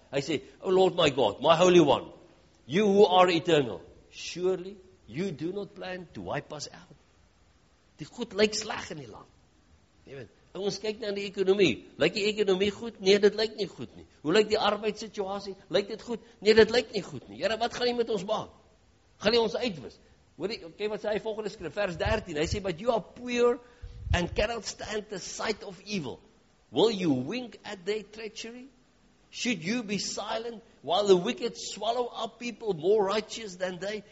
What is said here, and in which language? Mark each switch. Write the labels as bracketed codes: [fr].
[af] Hy sê, [en] O Lord my God, my Holy One, you who are eternal, surely you do not plan to wipe us out. [af] Die goed lyk sleg in die land. En ons kyk na die ekonomie. Lyk die ekonomie goed? Nee, dit lyk nie goed nie. Hoe lyk die arbeidssituasie? Lyk dit goed? Nee, dit lyk nie goed nie. Here, wat gaan jy met ons maak? Gaan jy ons uitwis? Hoor die, kyk wat sê hy volgende skrif, vers 13. Hy sê, [en] but you are poor and cannot stand the sight of evil. Will you wink at their treachery? Should you be silent while the wicked swallow up people more righteous than they?